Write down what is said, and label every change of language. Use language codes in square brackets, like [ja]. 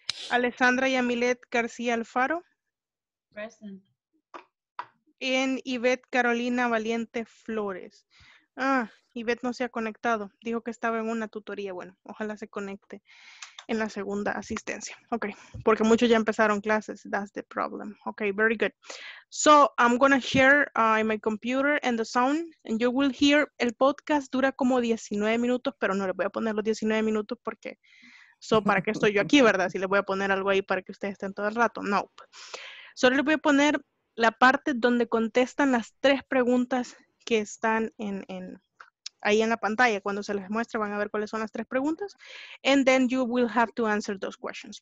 [es] Alessandra Yamilet García Alfaro. [en] Present. [es] Y Ivette Carolina Valiente Flores. Ah, Ivette no se ha conectado. Dijo que estaba en una tutoría. Bueno, ojalá se conecte en la segunda asistencia. Ok, porque muchos ya empezaron clases. [en] That's the problem. [es] Ok, [en] very good. So, I'm going to share in my computer and the sound. And you will hear, [es] el podcast dura como 19 minutos, pero no le voy a poner los 19 minutos porque, so, ¿para qué estoy yo aquí, verdad? Si le voy a poner algo ahí para que ustedes estén todo el rato. No. Nope. Solo le voy a poner la parte donde contestan las tres preguntas que están en ahí en la pantalla. Cuando se les muestre, van a ver cuáles son las tres preguntas. [en] And then you will have to answer those questions.